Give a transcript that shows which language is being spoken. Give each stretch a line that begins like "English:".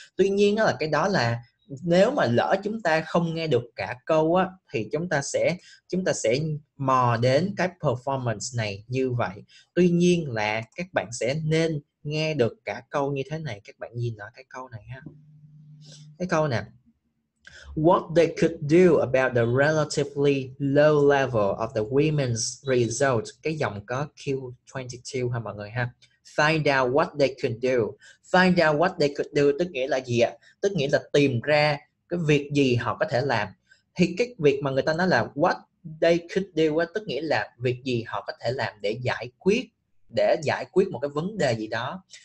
Vietnamese: Tuy nhiên á, là cái đó là nếu mà lỡ chúng ta không nghe được cả câu á, thì chúng ta sẽ mò đến cái performance này như vậy. Tuy nhiên là các bạn sẽ nên nghe được cả câu như thế này. Các bạn nhìn ở cái câu này ha. Cái câu nè.
English: What they could do about the relatively low level of the women's result.
Vietnamese: Cái dòng có Q22 ha mọi người ha.
English: Find out what they could do. Find out what they could do
Vietnamese: tức nghĩa là gì ạ? Tức nghĩa là tìm ra cái việc gì họ có thể làm. Thì cái việc mà người ta nói là
English: what they could do
Vietnamese: tức nghĩa là việc gì họ có thể làm để giải quyết một cái vấn đề gì đó.